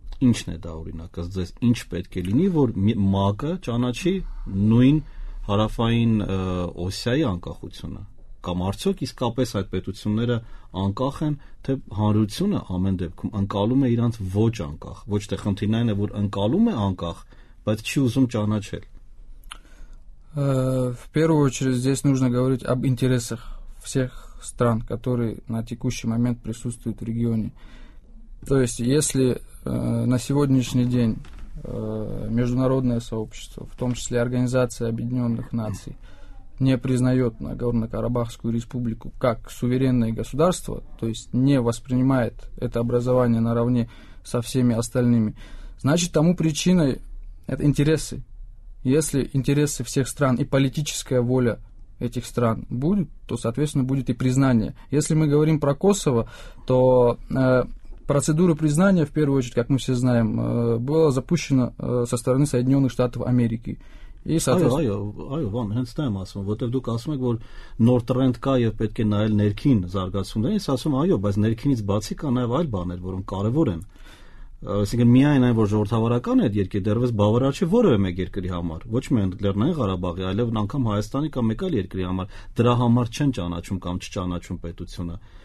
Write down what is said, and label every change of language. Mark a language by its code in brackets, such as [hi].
[hy] Ինչն է դա օրինակ, ըստ ձեզ ինչ պետք է լինի, որ ՄԱԿ-ը ճանաչի նույն հարավային Օսիայի անկախությունը? Կամ արդյոք իսկապես այդ պետությունները անկախ են, թե հանրությունը ամեն դեպքում ընկալում է իրանց ոչ անկախ, ոչ թե խնդիրն այն է, որ ընկալում է անկախ, բայց չի ուզում ճանաչել. [ru] В первую очередь здесь нужно говорить об интересах всех стран, которые на текущий момент присутствуют в регионе. То есть, если на сегодняшний день международное сообщество, в том числе Организация Объединенных Наций, не признает Нагорно-Карабахскую республику как суверенное государство, то есть не воспринимает это образование наравне со всеми остальными, значит, тому причиной это интересы. Если интересы всех стран и политическая воля этих стран будет, то, соответственно, будет и признание. Если мы говорим про Косово, то процедура признания, в первую очередь, как мы все знаем, была запущена со стороны Соединенных Штатов Америки. [hy] Այո, Ван, հենց դա եմ ասում, որտեղ դուք ասում եք, որ նոր տրենդ կա և պետք է նայել ներքին զարգացումներին, ես ասում այո, բայց ներքինից բացի կա նաև այլ բաներ, որոնք կարևոր են, այսինքն միայն այն, որ ժողովրդավարական է, երկրի դեռևս բավարար չի որևէ մեկ երկրի համար, ոչ միայն Լեռնային Ղարաբաղի, այլև անգամ Հայաստանի կամ մեկ այլ երկրի համար, դրա համար չեն ճանաչում կամ չճանաչում պետությունը.